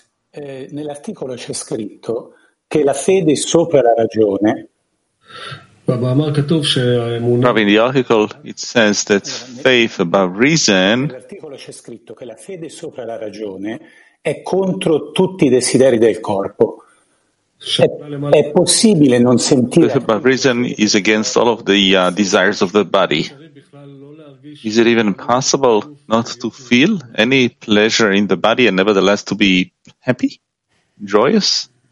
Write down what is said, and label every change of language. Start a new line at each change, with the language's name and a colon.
Italian: Nell'articolo c'è scritto che la fede supera ragione.
English: Rav, in the article it says that faith above reason.
Italian: L'articolo c'è scritto che la fede sopra la ragione è contro tutti I desideri del corpo. È possibile non sentire.
English: Faith above reason is against all of the desires of the body. Is it even possible not to feel any pleasure in the body and nevertheless to be happy, joyous?